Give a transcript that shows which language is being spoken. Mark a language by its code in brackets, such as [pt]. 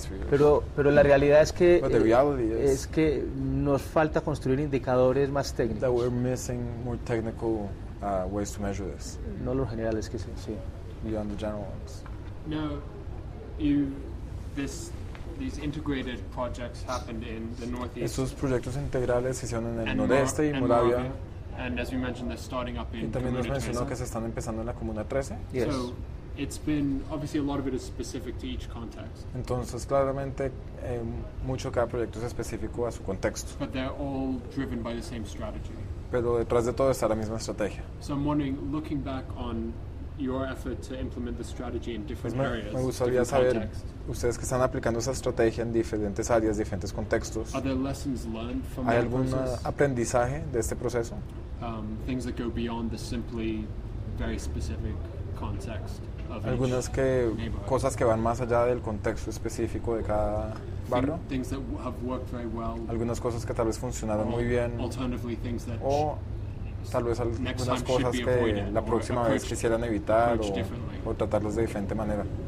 [es] Pero la realidad es que nos falta construir indicadores más técnicos. [en] That we're missing more technical ways to measure this. [es] No los generales, que sí. [en] Beyond the general ones. Now, these integrated projects happened in the northeast. [es] Estos proyectos integrales se hicieron en el noreste y Moravia. [en] And as we mentioned, they're starting up in. [es] Y también nos mencionó que se están empezando en la comuna 13. [en] Yes. So it's been obviously a lot of it is specific to each context. [es] Entonces claramente mucho cada proyecto es específico a su contexto. [en] But they're all driven by the same strategy. [es] Pero detrás de todo está la misma estrategia. [en] So I'm wondering, looking back on your effort to implement the strategy in different areas. [es] Me gustaría saber ustedes que están aplicando esa estrategia en diferentes áreas, diferentes contextos. [en] Are there lessons learned from [es] ¿hay algún aprendizaje de este proceso? [en] Things that go beyond the simply very specific context of [es] algunas [en] each [es] que cosas que van más allá del contexto específico de cada barrio. [en] Things that have worked very well. [es] Algunas cosas que tal vez funcionaron muy bien. [en] Alternatively, things that [es] tal vez algunas cosas que la próxima vez quisieran evitar o tratarlos de diferente manera.